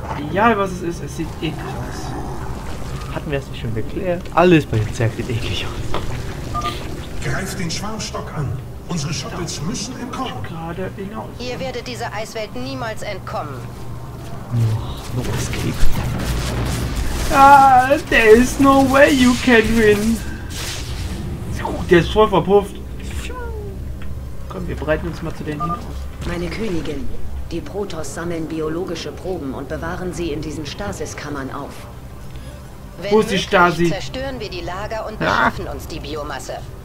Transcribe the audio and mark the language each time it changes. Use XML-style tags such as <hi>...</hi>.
<de>Egal was es sieht eklig aus. Hatten wir es nicht schon geklärt? Alles bei dem Zerg sieht eklig aus. Greift den Schwarmstock an. Unsere Shuttles müssen entkommen. Gerade hinaus. Ihr werdet dieser Eiswelt niemals entkommen.</de> <en>No escape. There is no way you can win.</en> <de>Oh, der ist voll verpufft. Komm, wir bereiten uns mal zu den hin. Meine Königin, die Protoss sammeln biologische Proben und bewahren sie in diesen Stasiskammern auf. Wo ist die Stasi? Zerstören wir die Lager und beschaffen uns die Biomasse.</de>